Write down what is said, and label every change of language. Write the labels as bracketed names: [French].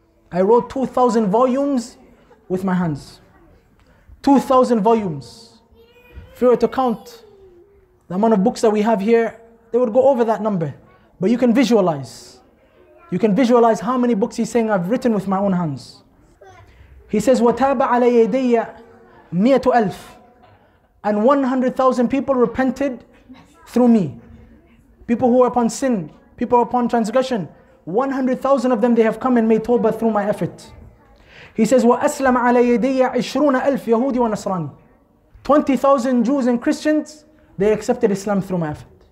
[English] I wrote 2,000 volumes with my hands. 2,000 volumes. If you were to count the amount of books that we have here, they would go over that number. But you can visualize. You can visualize how many books he's saying I've written with my own hands. He says, [Arabic] وَتَابَ عَلَى يَدَيَّ 100,000. [English] And 100,000 people repented through me. People who are upon sin, people upon transgression. 100,000 of them, they have come and made tawbah through my effort. He says, [Arabic] وَأَسْلَمَ عَلَى يَدَيَّ 20,000 يَهُودِ وَنَصْرَانِ [English] 20,000 Jews and Christians, they accepted Islam through my effort.